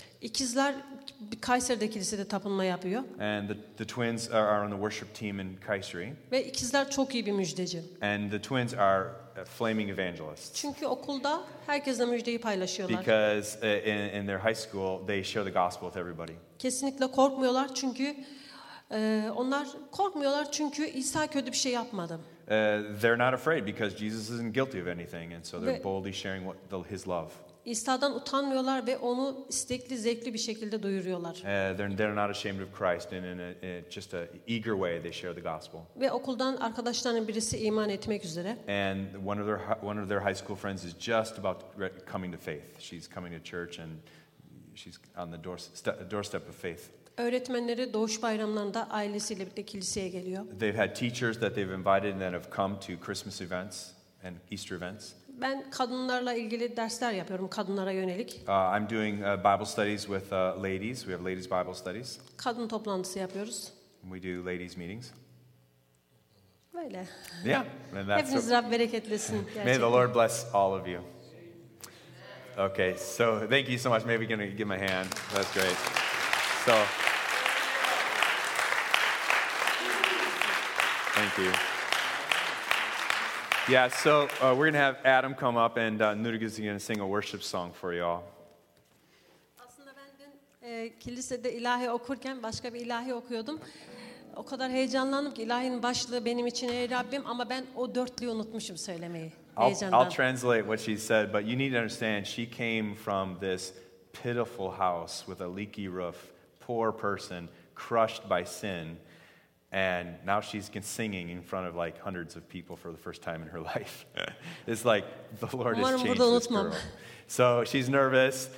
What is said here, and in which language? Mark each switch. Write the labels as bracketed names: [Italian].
[Turkish] İkizler Kayseri'de kilisede tapınma yapıyor. [English] And the twins are on the worship team in Kayseri. [Turkish] Ve ikizler çok iyi bir müjdeci. [English] And the twins are flaming evangelists. [Turkish] Çünkü okulda herkesle müjdeyi paylaşıyorlar. [English] Because in their high school they share the gospel with everybody. [Turkish] Kesinlikle korkmuyorlar çünkü onlar korkmuyorlar çünkü İsa kötü bir şey yapmadı. [English] They're not afraid because Jesus isn't guilty of anything and so they're boldly sharing his love. [Turkish] İsa'dan utanmıyorlar ve onu istekli, zevkli bir şekilde duyuruyorlar. [English] They're not ashamed of Christ and in just a eager way they share the gospel. [Turkish] Ve okuldan arkadaşlarının birisi iman etmek üzere. [English] And one of their high school friends is just about coming to faith. She's coming to church and she's on the doorstep of faith. [Turkish] Öğretmenleri doğuş bayramlarında ailesiyle birlikte kiliseye geliyor. [English] They've had teachers that they've invited and then have come to Christmas events and Easter events. [Turkish] Ben kadınlarla ilgili dersler yapıyorum, kadınlara yönelik. [English] I'm doing Bible studies with ladies. We have ladies Bible studies. [Turkish] Kadın toplantısı yapıyoruz. [English] We do ladies meetings. [Turkish] Böyle. [English] Yeah. [Turkish] Hepiniz Rab bereketlesin. [English] May the Lord bless all of you. Okay, so thank you so much. Maybe going to give him a hand. That's great. So. Thank you. Yeah, so we're going to have Adam come up and Nurgul is going to sing a worship song for y'all. [Turkish] Aslında ben dün kilisede ilahi okurken başka bir ilahi okuyordum. O kadar heyecanlandım ki ilahinin başlığı benim için ey Rabbim ama ben o dörtlüyü unutmuşum söylemeyi heyecandan. [English] I'll translate what she said, but you need to understand she came from this pitiful house with a leaky roof, poor person, crushed by sin. And now she's singing in front of like hundreds of people for the first time in her life. It's like the Lord has changed this girl. So she's nervous.